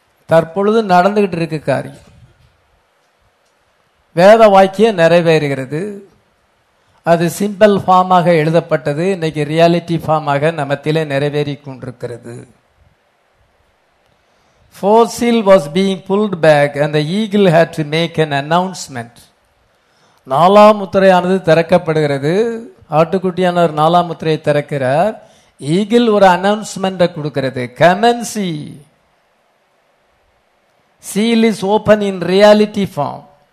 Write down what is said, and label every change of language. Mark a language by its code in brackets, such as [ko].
[ta] தற்பொழுது நடந்துகிட்டு இருக்கு காரியம், வேத வாக்கியம் நிறைவேறுகிறது. அது சிம்பிள் ஃபார்மாக எழுதப்பட்டது, இன்னைக்கு ரியாலிட்டி ஃபார்மாக நமத்திலே நிறைவேறி கொண்டிருக்கிறது. [en] Four seal was being pulled back and the eagle had to make an announcement. [ta] நாலாம் முத்திரையானது திறக்கப்படுகிறது, ஆட்டுக்குட்டியானவர் நாலாம் முத்திரையை திறக்கிறார். ஈகிள் ஒரு அனௌன்ஸ்மெண்ட்டை கொடுக்கிறது, [en] கமன்சி seal is open in reality form.